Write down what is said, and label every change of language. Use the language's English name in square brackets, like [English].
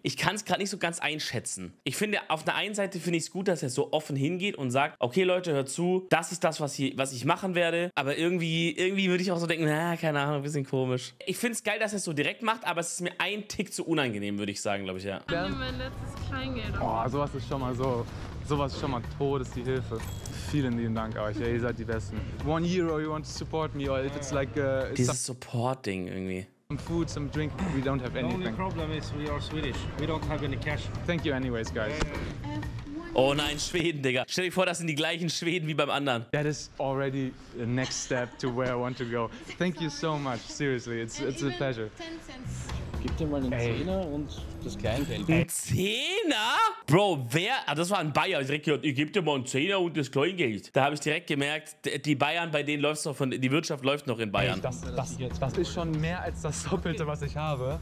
[German] Ich kann es gerade nicht so ganz einschätzen. Ich finde, auf der einen Seite finde ich es gut, dass er so offen hingeht und sagt, okay Leute, hört zu, das ist das, was ich machen werde. Aber irgendwie würde ich auch so denken, na, keine Ahnung, ein bisschen komisch. Ich finde es geil, dass er es so direkt macht, aber es ist mir ein Tick zu unangenehm, würde ich sagen, glaube ich, ja. Ich nehme mein letztes Kleingeld. Boah, sowas ist schon mal so. Sowas ist schon mal tot, ist die Hilfe. Vielen lieben Dank euch, ey, ihr seid die Besten. [English] 1 Euro, you want to support me, or if it's like... [German] Dieses Support-Ding irgendwie. [English] Some food, some drink, we don't have anything. The only problem is we are Swedish. We don't have any cash. Thank you anyways, guys. [German] Oh nein, Schweden, Digga. Stell dir vor, das sind die gleichen Schweden wie beim anderen. [English] That is already the next step to where I want to go. Thank you so much, seriously, it's a pleasure. 10 cents. [German] Gib dir mal einen Zehner und das Kleingeld. Ein Zehner? Bro, wer? Ah, das war ein Bayer. Ich direkt gehört, ich geb dir mal einen Zehner und das Kleingeld. Da habe ich direkt gemerkt, die Bayern, bei denen läuft es noch von. Die Wirtschaft läuft noch in Bayern. Ey, das ist schon mehr als das Doppelte, was ich habe.